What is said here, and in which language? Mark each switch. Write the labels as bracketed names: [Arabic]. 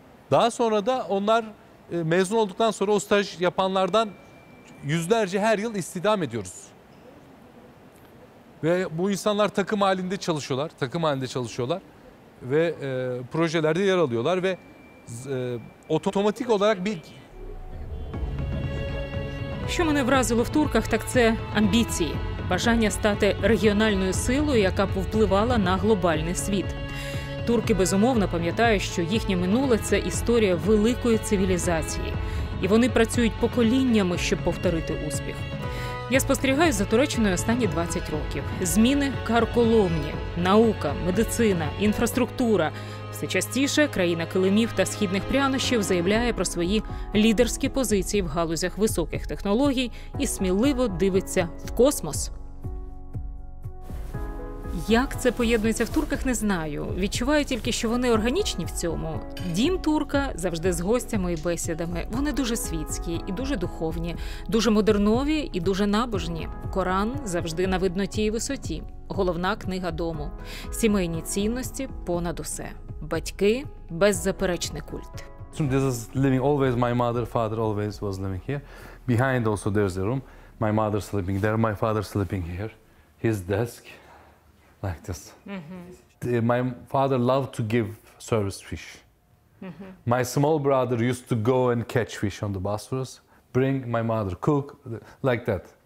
[Turkish] Daha sonra da onlar mezun olduktan sonra o staj yapanlardan yüzlerce her yıl istihdam ediyoruz. Ve bu insanlar takım halinde çalışıyorlar. Takım halinde çalışıyorlar. Ve projelerde yer alıyorlar ve otomatik olarak bir... [Ukrainian] Що мене вразило в турках, так це амбіції. Бажання стати регіональною силою, яка б впливала на глобальний світ. Турки, безумовно, пам'ятають, що їхнє минуле – це історія великої цивілізації. І вони працюють поколіннями, щоб повторити успіх. Я спостерігаю за Туреччиною останні 20 років. Зміни карколомні. Наука, медицина, інфраструктура – все частіше країна килимів та східних прянощів заявляє про свої лідерські позиції в галузях високих технологій і сміливо дивиться в космос. Як це поєднується в турках, не знаю. Відчуваю тільки, що вони органічні в цьому. Дім турка завжди з гостями і бесідами. Вони дуже світські і дуже духовні, дуже модернові і дуже набожні. Коран завжди на видноті і висоті. Головна книга дому. Сімейні цінності понад усе. Батьки – беззаперечний культ. [English] This is living always, my mother, father always was living here. Behind also there's a room. My mother sleeping there, my father sleeping here. His desk. Like this. Mm-hmm. My father loved to give service fish. Mm-hmm. My small brother used to go and catch fish on the Bosphorus, bring my mother, cook, like that.